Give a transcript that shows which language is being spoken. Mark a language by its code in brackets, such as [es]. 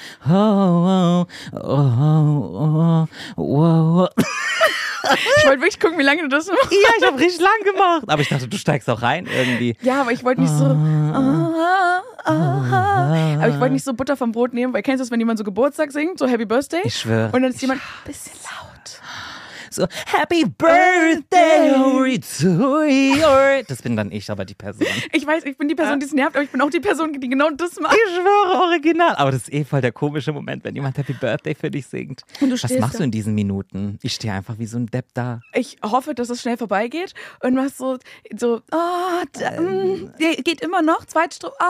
[de] Oh, oh, oh, oh, oh, oh. Ich wollte wirklich gucken, wie lange du das machst. Ja, ich habe richtig lang gemacht. Aber ich dachte, du steigst auch rein irgendwie. Ja, aber ich wollte nicht so. Aber ich wollte nicht so Butter vom Brot nehmen, weil kennst du das, wenn jemand so Geburtstag singt, so Happy Birthday? Ich schwöre. Und dann ist jemand ein bisschen laut. [en] So, Happy Birthday to you. [de] Das bin dann ich, aber die Person. Ich weiß, ich bin die Person, die es nervt, aber ich bin auch die Person, die genau das macht. Ich schwöre, original. Aber das ist eh voll der komische Moment, wenn jemand Happy Birthday für dich singt. Und du was machst da. Du in diesen Minuten? Ich stehe einfach wie so ein Depp da. Ich hoffe, dass es schnell vorbeigeht und machst so, oh, da, geht immer noch, zweite Strophe.